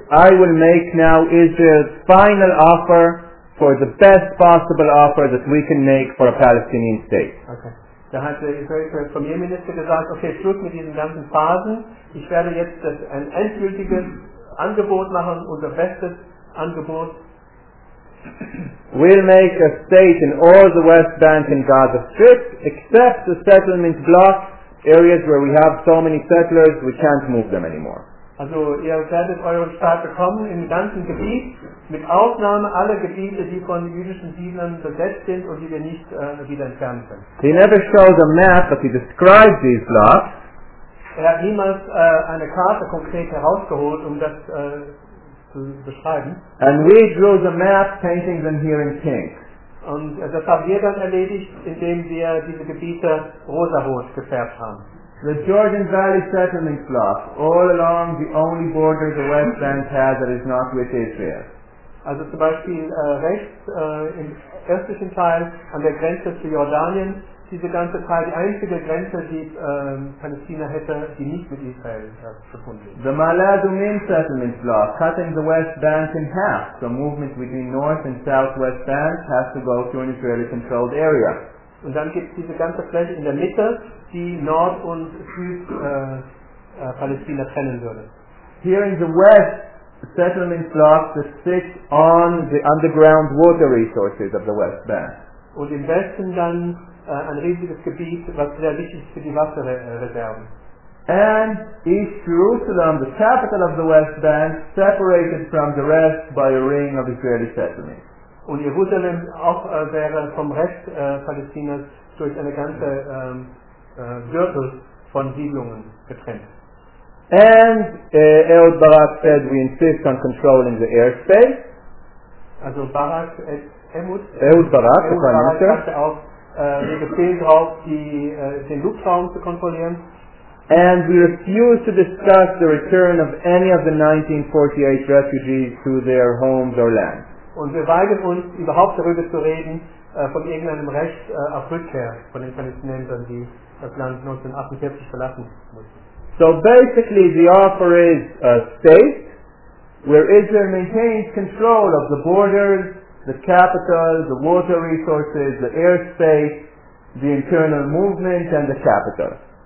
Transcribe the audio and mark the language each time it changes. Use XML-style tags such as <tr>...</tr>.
<en>I will make now Israel's final offer for the best possible offer that we can make for a Palestinian state." Okay.</en> <de>Da hat der israelische Premierminister gesagt, okay, Schluss mit diesen ganzen Phasen. Ich werde jetzt ein endgültiges Angebot machen, unser bestes Angebot.</de> <en>We'll make a state in all the West Bank and Gaza Strip, except the settlement block areas where we have so many settlers, we can't move them anymore.</en> <de>Also ihr werdet euren Staat bekommen im ganzen Gebiet, mit Ausnahme aller Gebiete, die von jüdischen Siedlern besetzt sind und die wir nicht wieder entfernen können.</de> <en>He never shows a map, but he describes these lots.</en> <de>Er hat niemals eine Karte konkret herausgeholt, um das zu beschreiben.</de> <en>And we drew the map, painting them here in pink.</en> <de>Und das haben wir dann erledigt, indem wir diese Gebiete rosarot gefärbt haben.</de> <en>The Jordan Valley settlement block, all along the only border the West Bank has that is not with Israel.</en> <de>Also zum Beispiel rechts im östlichen Teil an der Grenze zu Jordanien, diese ganze Teil, die einzige Grenze, die Palästina hätte, die nicht mit Israel verbunden ist.</de> <en>The Maladumim settlement block, cutting the West Bank in half, so movement between North and South West Bank has to go through an Israeli-controlled area.</en> <de>Und dann gibt es diese ganze Fläche in der Mitte, die Nord- und Süd-Palästina trennen würde.</de> <en>Here in the west, the settlement blocks that sit on the underground water resources of the West Bank.</en> <de>Und im Westen dann ein riesiges Gebiet, was sehr wichtig ist für die Wasserreserven.</de> <en>And East Jerusalem, the capital of the West Bank, separated from the rest by a ring of Israeli settlements.</en> <de>Und Jerusalem auch wäre vom Rest Palästinas durch eine ganze Gürtel von Siedlungen getrennt.</de> <en>And Ehud Barak said, we insist on controlling the airspace.</en> <de>Also Barak, Ehud?</de> <en>Ehud Barak, the Prime Minister.</en> <de>Ehud Barak hatte auch den Befehl drauf, den Luftraum zu kontrollieren.</de> <en>And we refuse to discuss the return of any of the 1948 refugees to their homes or land.</en> <de>Und wir weigern uns, überhaupt darüber zu reden, von irgendeinem Recht auf Rückkehr von den Palästinensern, die das Land 1948 verlassen mussten.</de> <en>So basically the offer is a state where Israel maintains control of the borders, the capital, the water resources, the airspace, the internal movement and the capital.</en>